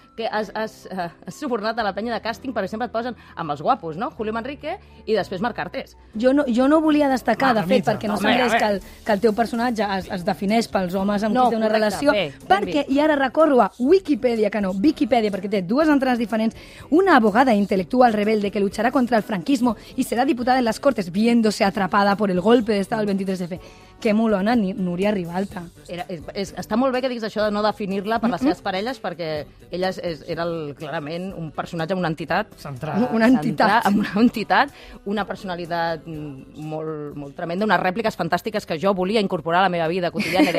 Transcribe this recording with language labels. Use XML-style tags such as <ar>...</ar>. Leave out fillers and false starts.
<ca>Que has subornat a la penya de càsting, per exemple, et posen amb els guapos, no? Julio Manrique i després Marc Artés. Jo no volia destacar, de fet, perquè no sembla que el teu personatge es defineix pels homes amb qui té una relació. Perquè, i ara recorro a Wikipedia, perquè té dues entrades diferents.</ca> <es>Una abogada intelectual rebelde que lucharà contra el franquismo y será diputada en las Cortes viéndose atrapada por el golpe de Estado el 23F.</es> <ca>Que molona, Núria Ribalta. Està molt bé que diguis això de no definir-la per les seves parelles, perquè ella era clarament un personatge amb una entitat. Central. Una entitat. Amb una entitat, una personalitat molt, molt tremenda, unes rèpliques fantàstiques que jo volia incorporar a la meva vida quotidiana.</ca>